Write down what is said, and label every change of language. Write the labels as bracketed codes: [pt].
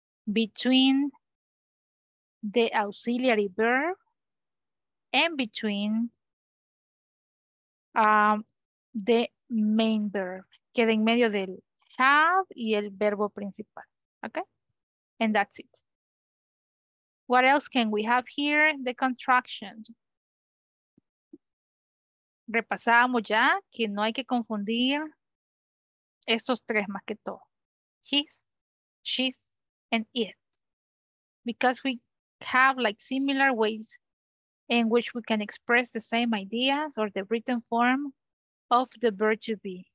[en] Between the auxiliary verb and between the main verb. [es] Queda en medio del have y el verbo principal. [en] Okay? And that's it. What else can we have here? The contractions. [es] Repasamos ya que no hay que confundir estos tres más que todo. [en] His, she's, and it. Because we have like similar ways in which we can express the same ideas or the written form of the verb to be.